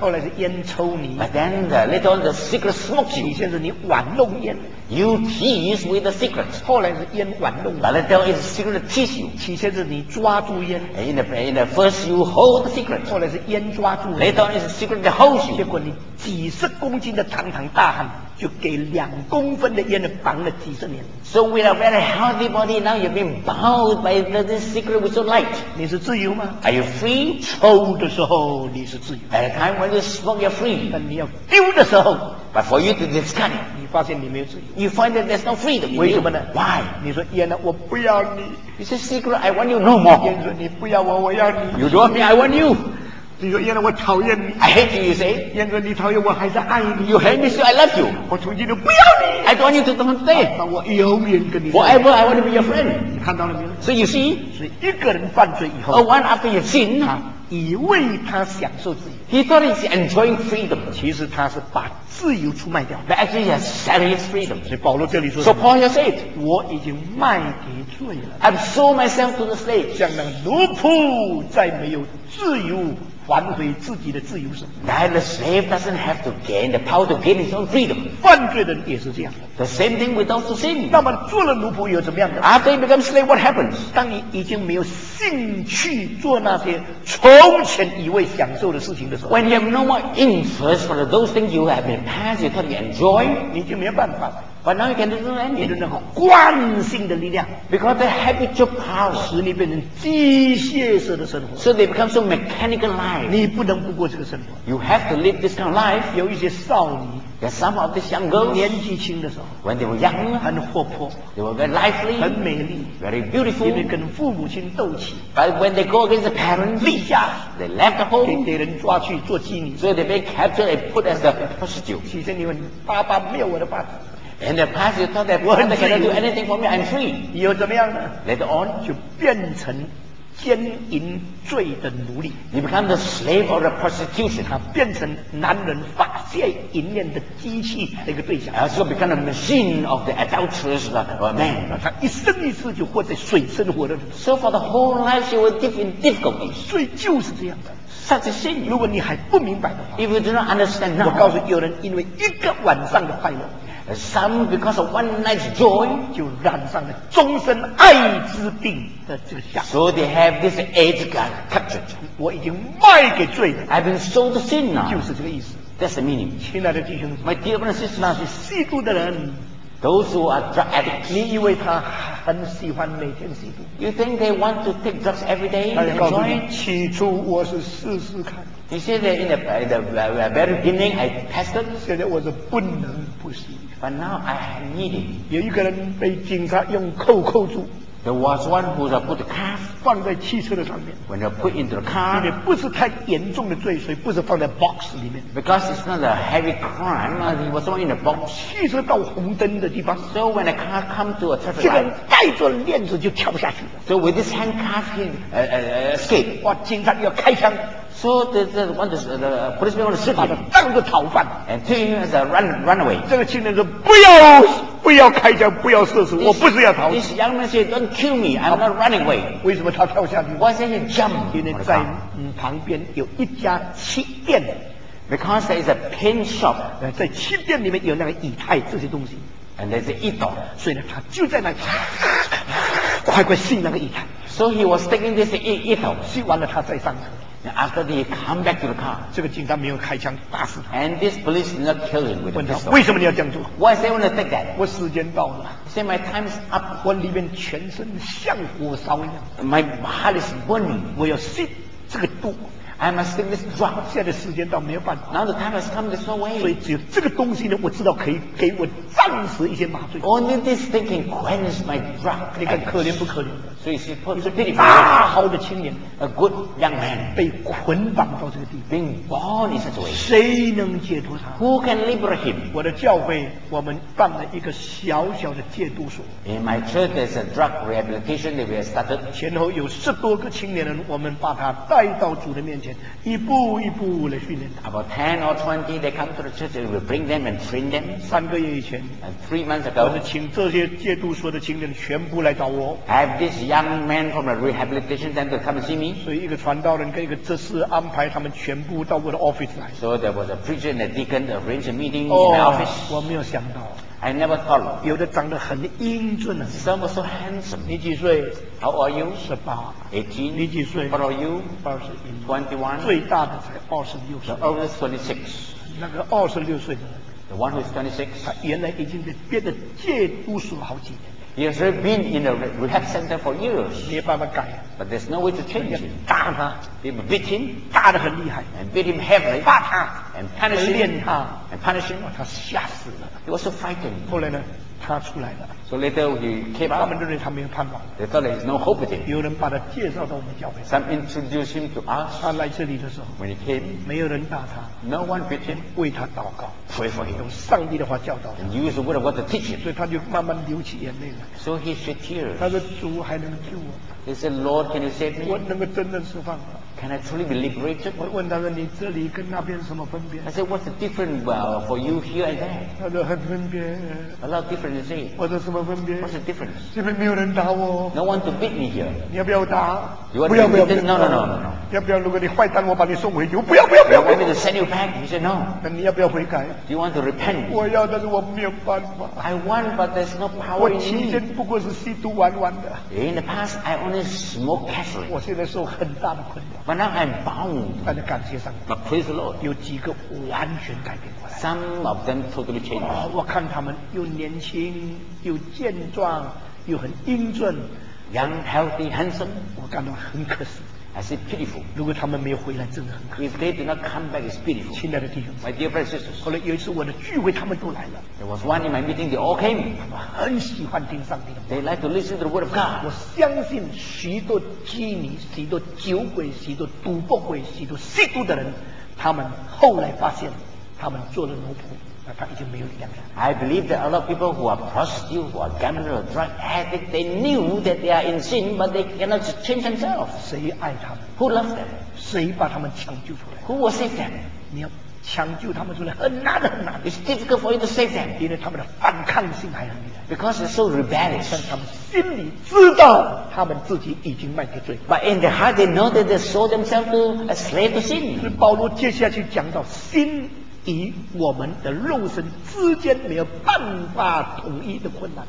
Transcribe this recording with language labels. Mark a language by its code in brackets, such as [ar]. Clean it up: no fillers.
[zh] 后来是烟抽你。 [en] But then later on, the cigarette smokes you. [zh] 起先是你玩弄烟。 [en] You tease with the cigarette. [zh] 后来是烟玩弄。 [en] But then it's cigarette tease you. [zh] 起先是你抓住烟。 [en] In the first you hold the cigarette. [zh] 后来是烟抓住。 [en] Later on it's cigarette holds you. [zh] 结果你几十公斤的堂堂大汉，就给两公分的烟呢绑了几十年。 [en] So with a very healthy body now you've been bound by this cigarette with your light. [zh] 你是自由吗 [en] ？Are you free? [zh] 抽的时候你是自由。 [en] At a time when you smoke you're free. [zh] 但你要丢的时候。 [en] But for you to discard it. [zh] 你发现你没有自由。 [en] You find that there's no freedom. [zh] 为什么呢 [en] ？Why? [zh] 你说烟呢？我不要你。 [en] You say cigarette, I want you no more. [zh] 烟说你不要我，我要你。 [en] You don't want me, I want you. [zh] 你说烟呢？我讨厌你。 [en] I hate you, you say. [zh] 烟说你讨厌我，还是爱你。 [en] You hate me, so I love you. [zh] 我从今都不要你。 [en] I don't want you to come today. [zh] 那我永远跟你。 [en] Whatever, I want to be your friend. [zh] 你看到了没有 [en] ？So you see. [zh] 所以一个人犯罪以后 [en] ，A one after you sin. [zh] 以为他享受自由。 [en] He thought he's enjoying freedom. [zh] 其实他是把。自由出卖掉 [en] ，but actually he has sold his freedom. [zh] 所以保罗这里说 [en] ，So Paul has said， [zh] 我已经卖给罪了 [en] ，I've sold myself to the slave， [zh] 像那奴仆再没有自由还回自己的自由时 [en] ，That the slave doesn't have to gain the power to gain his own freedom。 [zh] 犯罪的人也是这样 [en] ，The same thing with those who sin。 [zh] 那么做了奴仆又怎么样的 [en] ？After you become slave, what happens？ [zh] 当你已经没有兴趣做那些从前以为享受的事情的时候 [en] ，When you have no more interest for those things you have been past, you can enjoy， [zh] 你就没有办法了。 [en] But now you can do anything. [zh] 你的那个惯性的力量 [en] ，because the habit of power [zh] 使你变成机械式的生活 [en] ，so they become so mechanical life. [zh] 你不能不过这个生活 [en] ，you have to live this kind of life. [zh] 有一些少女 [en] ，there's some of these young girls [zh] 年纪轻的时候 [en] ，when they were young [zh] 很活泼 [en] ，they were very lively [zh] 很美丽 [en] ，very beautiful [zh] 因为跟父母亲斗气 [en] ，but when they go against the parents [zh] 立下 [en] ，they left the home [zh] 给别人抓去做妓女 [en] ，so they were captured and put as a prostitute. [zh] 其实你问爸爸没有我的爸爸。 [en] In the past, you thought that father cannot do anything for me. I'm free. [zh] 以后怎么样呢 [en] ？Later on, [zh] 就变成奸淫罪的奴隶。 [en] You become the slave of the prostitution. [zh] 他变成男人发泄淫念的机器的一个对象。 [en] Also become the machine of the adulterous man. [zh] 他一生一世就活在水深火热。 [en] So for the whole life, she was deep in difficulty. [zh] 所以就是这样的。 [en] Such a sin. [zh] 如果你还不明白的话 [en] ，If you do not understand now, [zh] 我告诉有人因为一个晚上的快乐。 [en] Some because of one night's joy, [zh] 就染上了终身艾滋病的这个相。 [en] So they have this AIDS got captured. [zh] 我已经卖给罪了。 [en] I've been sold to sin now. [zh] 就是这个意思。 [en] That's the meaning. [zh] 亲爱的弟兄， [en] My dear brothers and sisters, [zh] 那些吸毒的人， [en] Those who are drug addicts. [zh] 你以为他很喜欢每天吸毒？ [en] You think they want to take drugs every day? [zh] 他告诉你，起初我是试试看。 [en] He said that in the very beginning, I tested. [zh] 现在我是不能不吸。 [en] But now I need it. [zh] 有一个人被警察用扣扣住。 [en] There was one who was put the car [zh] 放在汽车的上面。 [en] When they put into the car, [zh] 因为不是太严重的罪，所以不是放在 box 里面。 [en] Because it's not a heavy crime, he was not in the box. [zh] 汽车到红灯的地方。 [en] So when the car come to a traffic light, [zh] 这个人带着链子就跳下去。 [en] So with this handcuff, he escaped. [zh] 哇，警察要开枪。 [en] So the one the policeman want to shoot him. [zh] 把他当个逃犯。 [en] And took him as a runaway. [zh] 这个青年说不要。不要开枪，不要射死，我不是要逃。 [en] This young man said, "Don't kill me. I'm not running away." [zh] 为什么他跳下去 [en] ？Why did he jump? [zh] 因为在旁边有一家漆店。 [en] Because there is a paint shop. [zh] 在漆店里面有那个以太这些东西。 [en] And there's an idol. [zh] 所以呢，他就在那里快快吸那个以太。 [en] So he was taking this idol. [zh] 吸完了，他再上车。 [en] And after he come back to the car, [zh] 这个警察没有开枪打死他。 [en] And this police did not kill him with a pistol. [zh] 问他为什么你要这样做 [en] ？Why they want to take that? [zh] 我时间到了。 [en] Say my time's up. [zh] 我里面全身像火烧一样。 [en] My heart is burning. [zh] 我要吸这个毒。 [en] I must take this drug. [zh] 现在时间到没有办法。 [en] Now the time has come. There's no way. [zh] 所以只有这个东西呢，我知道可以给我暂时一些麻醉。 [en] Only this thing can quench my drug. [zh] 你看可怜不可怜？所以是破碎的。大好的青年 [en] ，a good young man， [zh] 被捆绑到这个地方 [en] ，being bound in such a way， [zh] 谁能解脱他 [en] ？Who can liberate him？ [zh] 我的教会，我们办了一个小小的戒毒所。 [en] In my church, there's a drug rehabilitation that we have started. [zh] 前后有十多个青年人，我们把他带到主的面前，一步一步来训练他。 [en] About 10 or 20, they come to the church, and we bring them and train them. [zh] 3个月以前 [en] ，and 3 months ago， [zh] 我是请这些戒毒所的青年全部来找我。 [en] I have this young man from a rehabilitation center come and see me. [zh] 所以一个传道人跟一个执事安排他们全部到我的 office 来。 [en] So there was a preacher and a deacon arrange a meeting in my office. [zh] 我没有想到。 [en] I never thought of. [zh] 有的长得很英俊啊。 [en] Some were so handsome. [zh] 你几岁？ [en] How are you? 18。 18。 [zh] 你几岁？ [en] What are you? 21。 21。 [zh] 最大的才26。 [en] The oldest 26。 [zh] 那个26岁的。 [en] The one who's 26。 [zh] 他原来已经在别的戒毒所好几年。 [en] He has already been in a rehab center for years. [zh] 没办法改。 [en] But there's no way to change him. [zh] 打他。 [en] They beat him. [zh] 打得很厉害。 [en] And beat him heavily. [zh] 打他。 [en] And punish him. [zh] 练他。 [en] And punish him. [zh] 他吓死了。 [en] He was so frightened. [zh] 后来呢，他出来了。 [en] So later he came out. [zh] 他们认为他没有盼望。 [en] They thought there's no hope with him. [zh] 有人把他介绍到我们教会。 [en] Some introduced him to us. [zh] 他来这里的时候。 [en] When he came. [zh] 没有人打他。 [en] No one beat him. [zh] 为他祷告。 [en] Pray for him. [zh] 用上帝的话教导他。 [en] And use the word of God to teach him. [zh] 所以他就慢慢流起眼泪了。 [en] So he shed tears. [zh] 他说主还能救我。 [en] He said, Lord, can you save me? [zh] 我能够真正释放吗？ [en] Can I truly be liberated? [zh] 我问他说你这里跟那边什么分别 [en] ？I said, what's the difference for you here and there? [zh] 他说很分别。 [en] A lot of difference, is it? [zh] 我说什么分别 [en] ？What's the difference? [zh] 这边没有人打我。 [en] No one to beat me here. [zh] 你要不要打？不要。 [en] No. [zh] 要不要？如果你坏蛋，我把你送回去。不要。 [en] Want me to send you back? He said, no. [zh] 那你要不要悔改 [en] ？Do you want to repent? [zh] 我要，但是我没有办法。 [en] I want, but there's no power in me. [zh] 我期间不过是吸毒玩玩的。 [en] In the past, I only smoked casually. [zh] 我现在受很大的困扰。 [en] But now I'm bound. [zh] 但是感谢上帝。 [en] But praise the Lord. [zh] 有几个完全改变过来。 [en] Some of them totally changed. [zh] 我看他们又年轻，又健壮，又很英俊。 [en] Young, healthy, handsome. [zh] 我感到很可惜。 [en] I said pitiful. [zh] 如果他们没有回来，真的很可惜。 [en] If they did not come back, it's pitiful. [zh] 亲爱的弟兄。 [en] My dear brothers and sisters. [zh] 后来有一次我的聚会，他们都来了。 [en] There was one in my meeting. They all came. [zh] 他们很喜欢听上帝的。 [en] They like to listen to the word of God. [zh] 我相信许多妓女、许多酒鬼、许多赌博鬼、许多吸毒的人，他们后来发现，他们做了奴仆。 [en] I believe that a lot of people who are prostitutes, who are gamblers, or drug addicts, they knew that they are in sin, but they cannot change themselves. [zh] 谁爱他们？ [en] Who loved them? [zh] 谁把他们抢救出来？ [en] Who will save them? [zh] 你要抢救他们出来，很难很难。 [en] It's difficult for you to save them. [zh] 因为他们的反抗性还很厉害。 [en] Because they're so rebellious. [zh] 但他们心里知道他们自己已经卖给罪。 [en] But in their heart, they know that they sold themselves to a slave to sin. [zh] 保罗接下去讲到心。与我们的肉身之间没有办法统一的困难。